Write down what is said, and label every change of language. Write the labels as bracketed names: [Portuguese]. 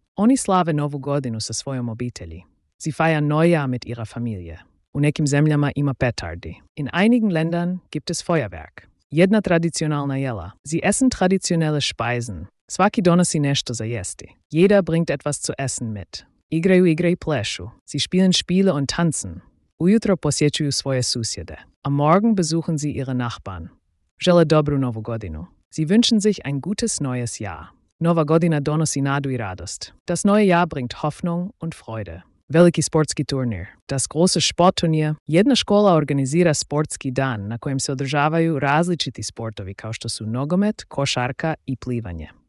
[Croatian] Oni slave novu godinu sa svojom obitelji. [German] Sie feiern Neujahr mit ihrer Familie. [Croatian] U nekim zemljama ima petardi. [German] In einigen Ländern gibt es Feuerwerk. [Croatian] Jedna tradicionalna jela. [German] Sie essen traditionelle Speisen. [Croatian] Svaki donosi nešto za jesti. [German] Jeder bringt etwas zu essen mit. [Croatian] Igraju igre i plešu. [German] Sie spielen Spiele und tanzen. [Croatian] Ujutro posjećuju svoje susjede. [German] Am Morgen besuchen sie ihre Nachbarn. [Croatian] Žele dobru novu godinu. [German] Sie wünschen sich ein gutes neues Jahr. [Croatian] Nova godina donosi nadu i radost. [German] Das neue Jahr bringt Hoffnung und Freude. [Croatian] Veliki sportski turnir. [German] Das große Sportturnier. [Croatian] Jedna škola organizira sportski dan na kojem se održavaju različiti sportovi kao što su nogomet, košarka i plivanje.